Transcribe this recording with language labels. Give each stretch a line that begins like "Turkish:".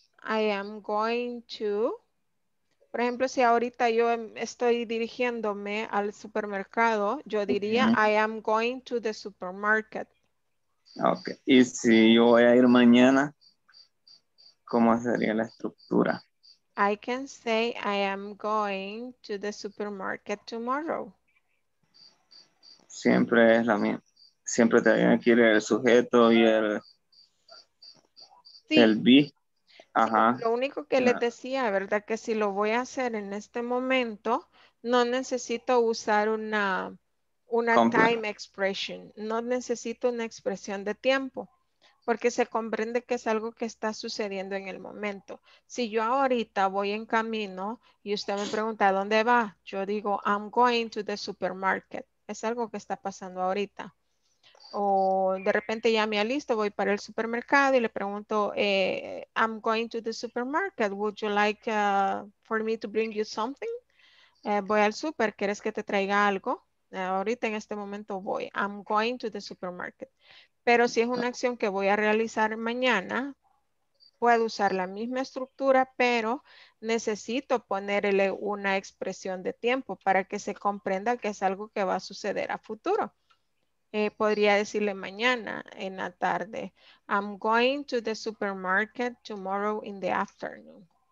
English: I am going to.
Spanish: Por ejemplo, si ahorita yo estoy dirigiéndome al supermercado, yo diría, mm-hmm.
English: I am going to the supermarket.
Spanish: Ok. Y si yo voy a ir mañana, ¿cómo sería la estructura?
English: I can say, I am going to the supermarket tomorrow.
Spanish: Siempre es la misma. Siempre te viene aquí el sujeto y el... Sí. El be. Ajá. Lo único que les decía, ¿verdad? Que si lo voy a hacer en este momento, no necesito usar una time expression. No necesito una expresión de tiempo. Porque se comprende que es algo que está sucediendo en el momento. Si yo ahorita voy en camino y usted me pregunta, ¿dónde va? Yo digo,
English: I'm going to the supermarket.
Spanish: Es algo que está pasando ahorita. O de repente ya me alisto, voy para el supermercado y le pregunto,
English: I'm going to the supermarket. Would you like for me to bring you something?
Spanish: Voy al super, ¿quieres que te traiga algo? Ahorita en este momento voy.
English: I'm going to the supermarket.
Spanish: Pero si es una acción que voy a realizar mañana, puedo usar la misma estructura, pero necesito ponerle una expresión de tiempo para que se comprenda que es algo que va a suceder a futuro. Podría decirle mañana en la tarde.
English: I'm going to the supermarket tomorrow in the afternoon.